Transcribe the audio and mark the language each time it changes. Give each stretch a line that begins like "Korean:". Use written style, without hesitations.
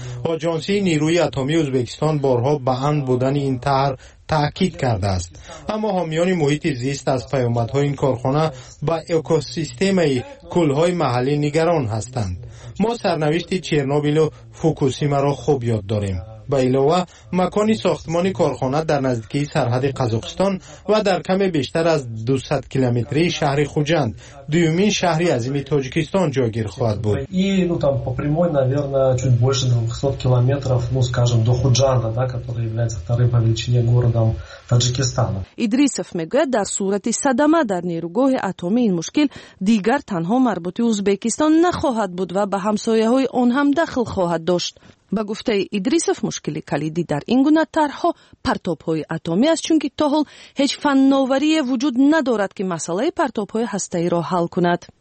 Persian: آژانسی نیروی اتمی ازبکستان بارها به اند بودن این طرح تأکید کرده است، اما حامیان محیط زیست از پیامدهای این کارخانه با اکوسیستم کلهای محلی نگران هستند. ما سرنوشت چرنوبیل و فوکوسیما را خوب یاد داریم. به علاوه مکان ساختمان کارخانه در نزدیکی سرحد قزاقستان و در کم بیشتر از 200 کیلومتری شهر خوجند، دومین شهری عظیم تاجیکستان جایگیر خواهد بود.
Russian: اینو там по прямой, наверное, чуть больше 200 км, ну, скажем, до Худжанда, да, который является вторым по величине городом Таджикистана.
Persian: ادریسف میگوید در صورت صدمه در نیروگاه اتمی این مشکل دیگر تنها مربوط به ازبکستان نخواهد بود و به همسایه های آن هم دخل خواهد داشت. با گفته ادریسف مشکل کلیدی در این گونه طرحها پرتاب‌های اتمی است، چون که تا حال هیچ فناوری وجود ندارد که مسئله پرتاب‌های هسته‌ای را حل کند.